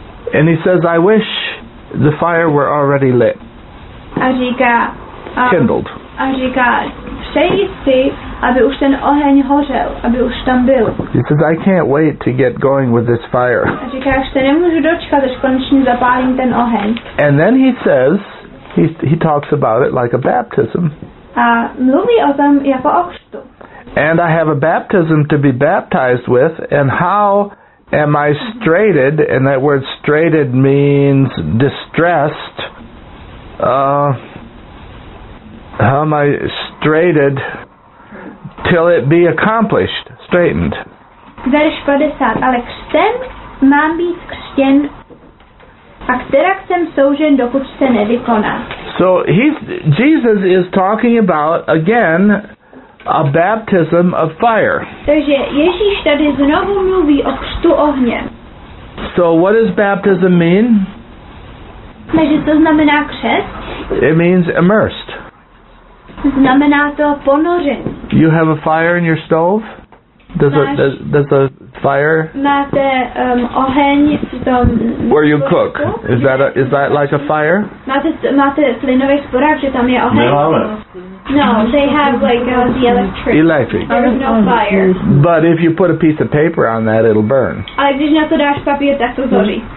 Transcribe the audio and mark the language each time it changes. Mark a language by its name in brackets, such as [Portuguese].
[English] And he says, I wish the fire were already lit. [Czech] A říká, [English] kindled. [Czech] A říká, přeji si, aby už ten oheň hořel, aby už tam byl. [English] He says, I can't wait to get going with this fire. [Czech] A říká, už se nemůžu dočkat, až konečně zapálím ten oheň. [English] And then he says, he talks about it like a baptism. [Czech] A mluví o tom jako o křtu. [English] And I have a baptism to be baptized with, and how am I straited, and that word straited means distressed, how am I straighted till it be accomplished, straightened? [Czech] Verš 50, ale křtem mám být křtěn, a kterak jsem soužen, dokud se nevykoná. [English] So Jesus is talking about, again, a baptism of fire. [Czech] Takže Ježíš tady znovu mluví o křtu ohně. [English] So what does baptism mean? [Czech] Takže to znamená křest? [English] It means immersed. [Czech] Znamená to ponořen. [English] You have a fire in your stove? Does a fire? [Czech] Máte oheň v tom. [English] Where you cook? Is that like a fire? [Czech] Máte plynový sporák, že tam je oheň? [English] No, they have like the electric. Electric. There's no fire. But if you put a piece of paper on that, it'll burn. [Czech] Ale když na to dáš papír, tak to zhoří.